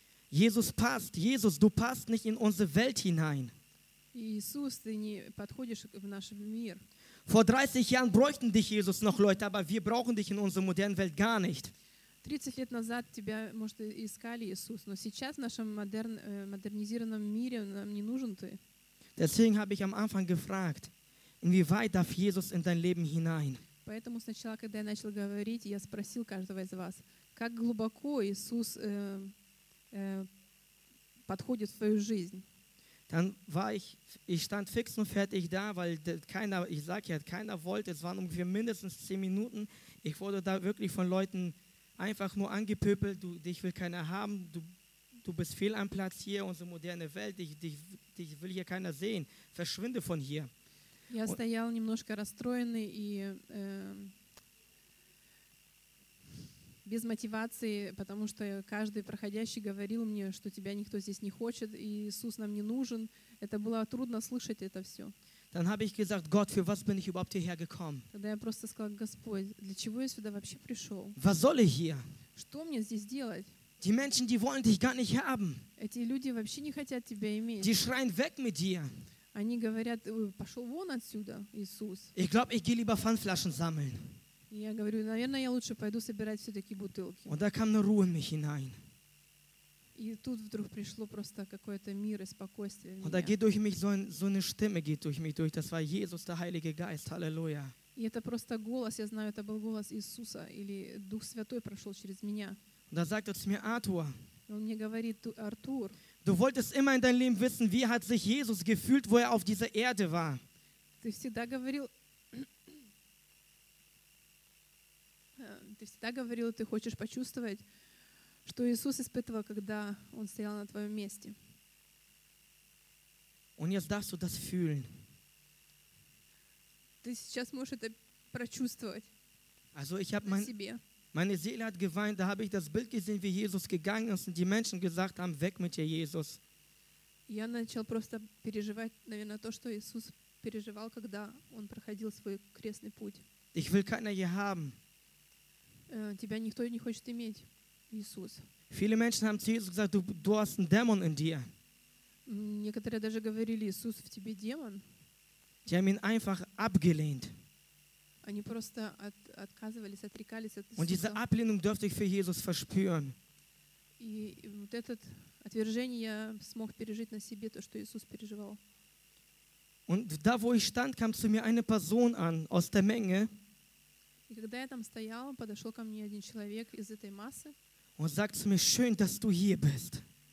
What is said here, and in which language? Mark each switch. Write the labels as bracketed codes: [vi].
[de] Jesus passt, Jesus, du passt nicht in unsere Welt hinein. [ru] Иисус, ты не подходишь в наш мир. [de] Vor 30 Jahren bräuchten dich Jesus noch Leute, aber wir brauchen dich in unserer modernen Welt gar nicht. [ru] 30 лет назад тебя, может, искали Иисус, но сейчас в нашем модернизированном мире нам не нужен ты. [de] Deswegen habe ich am Anfang gefragt, inwieweit darf Jesus in dein Leben hinein? [ru] Поэтому сначала, когда я начал говорить, я спросил каждого из вас, как глубоко Иисус подходит в твою жизнь? [de] Dann war ich stand fix und fertig da, weil keiner, ich sag ja, keiner wollte, es waren ungefähr mindestens 10 Minuten, ich wurde da wirklich von Leuten einfach nur angepöbelt, dich will keiner haben, du bist fehl am Platz hier, unsere moderne Welt, dich will hier keiner sehen, verschwinde von hier. [ru] Я стоял немножко расстроенный и без мотивации, потому что каждый проходящий говорил мне, что тебя никто здесь не хочет, и Иисус нам не нужен. Это было трудно слышать это все. [de] Dann habe ich gesagt, Gott, für was bin ich überhaupt hierher gekommen? [ru] Тогда я просто сказал, Господь, для чего я сюда вообще пришел? [de] Was soll ich hier? [ru] Что мне здесь делать? [de] Die Menschen, die wollen dich gar nicht haben. [ru] Эти люди вообще не хотят тебя иметь. [de] Die schreien weg mit dir. [ru] Они говорят, пошел вон отсюда, Иисус. [de] Ich glaube, ich gehe lieber Pfandflaschen sammeln. [ru] Я говорю, наверное, я лучше пойду собирать все-таки бутылки. [de] Und da kam eine Ruhe in mich hinein. [ru] И тут вдруг пришло просто какое-то мир и спокойствие. [de] Und da geht durch mich so eine Stimme geht durch mich durch. Das war Jesus, der Heilige Geist. Halleluja. [ru] И это просто голос, я знаю, это был голос Иисуса или Дух Святой прошел через меня. [de] Und da sagt er zu mir, Arthur. [ru] Он мне говорит, Артур. [de] Du wolltest immer in deinem Leben wissen, wie hat sich Jesus gefühlt, wo er auf dieser Erde war. [ru] Ты всегда говорил. Ты всегда говорил, ты хочешь почувствовать. Что Иисус испытывал, когда Он стоял на твоем месте. [de] Und jetzt darfst du das fühlen. [ru] Ты сейчас можешь это прочувствовать. [de] Also ich habe meine Seele hat geweint, da habe ich das Bild gesehen, wie Jesus gegangen ist und die Menschen gesagt haben, weg mit dir, Jesus. [ru] Я начал просто переживать, наверное, то, что Иисус переживал, когда Он проходил свой крестный путь. [de] Ich will keiner hier haben. [ru] Тебя никто не хочет иметь. Иисус. [de] Viele Menschen haben zu Jesus gesagt, du hast einen Dämon in dir. [ru] Некоторые даже говорили, Иисус, в тебе демон. [de] Die haben ihn einfach abgelehnt. [ru] Они просто отказывались, отрекались от Иисуса. [de] Und diese Ablehnung durfte ich für Jesus verspüren. [ru] И вот это отвержение я смог пережить на себе, то, что Иисус переживал. [de] Und da, wo ich stand, kam zu mir eine Person an, aus der Menge. [ru] И когда я там стоял, подошел ко мне один человек из этой массы. [de] Und sagt zu mir, schön, dass du hier bist.